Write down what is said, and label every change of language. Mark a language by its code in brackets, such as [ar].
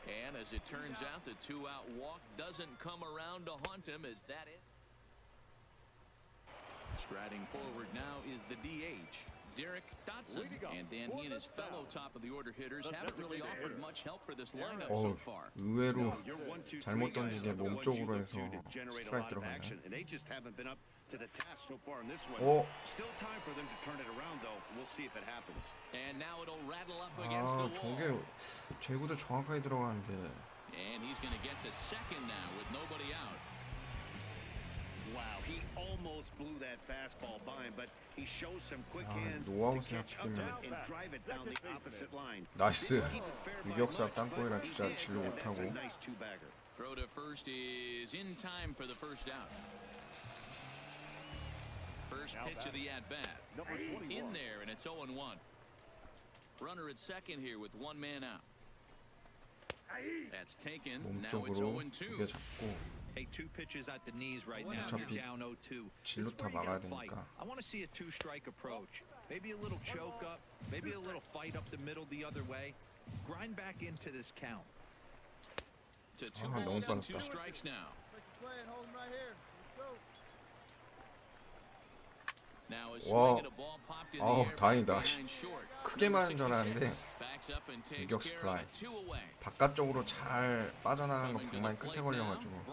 [en] And as it turns out, the two out walk doesn't come around to haunt him. Is that it? Striding forward now is the DH, Derek Dotson. And Dan, he and his fellow top of the order hitters haven't really offered much help for this lineup so far. [ko] 의외로 잘못 던지게 몸쪽으로 해서 스트라이크 들어가네. [en] To the task so far in this one. Oh. Still time for them to turn it around, though. We'll see if it happens. And now it'll rattle up against the wall. And he's going to get to second now with nobody out. Wow, he almost blew that fastball by him, but he shows some quick hands to catch up to it and drive it down the opposite line. Nice. [ko] 유격수 땅볼이라 진짜 질러 못하고. [en] Throw to first is in time for the first out. First pitch of the at-bat. In there, and it's 0-1. Runner at second here with one man out. That's taken. Now it's 0-2. Hey, two pitches at the knees right now. You're down 0-2. This is where you gotta fight. I want to see a two-strike approach. Maybe a little choke-up. Maybe a little fight up the middle the other way. Grind back into this count. To two strikes now. Now a swing and a ball popped in the air. [ko] 다행이다. 크게 맞은 줄 알았는데 유격 슬라이. 바깥쪽으로 잘 빠져나간 거 방망이 끝에 걸려가지고.